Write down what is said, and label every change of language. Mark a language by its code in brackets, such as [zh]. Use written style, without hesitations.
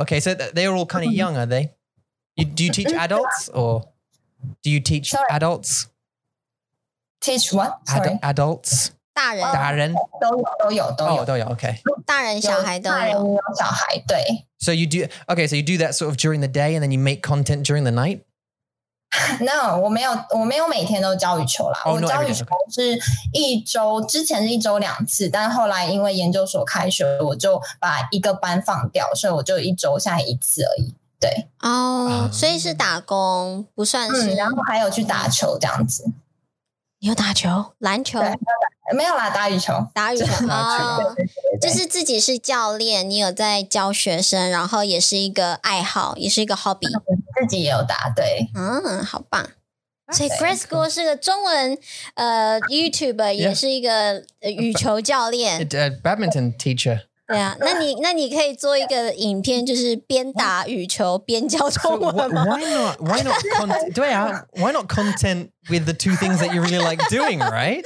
[en] Okay, so they're all kind of young, are they? Do you teach adults or do you teach adults? Sorry. Teach what? Sorry. Adults. [zh] 大人。大人。都有。 Okay. 大人小孩都有。小孩对。 [en] So you do, okay, so you do that sort of during the day and then you make content during the night? [zh] No, 我没有每天都教羽球啦。 [en] Oh, not every day. [zh] 我教羽球是一周，之前是一周两次，但后来因为研究所开学，我就把一个班放掉，所以我就一周现在一次而已。对。哦，所以是打工，不算是。嗯，然后还有去打球这样子。你有打球？篮球？没有啦，打羽球。打羽球啊，就是自己是教练，你有在教学生，然后也是一个爱好，也是一个 hobby。自己也有打，对。嗯，好棒。所以 Grace Guo 是个中文YouTube， 也是一个羽球教练 [en] ，Badminton teacher。 [zh] 对啊，那你可以做一个影片，就是边打羽球边教中文吗 [en] ？Why not? Content, 对啊，Why not content with the two things that you really like doing, right?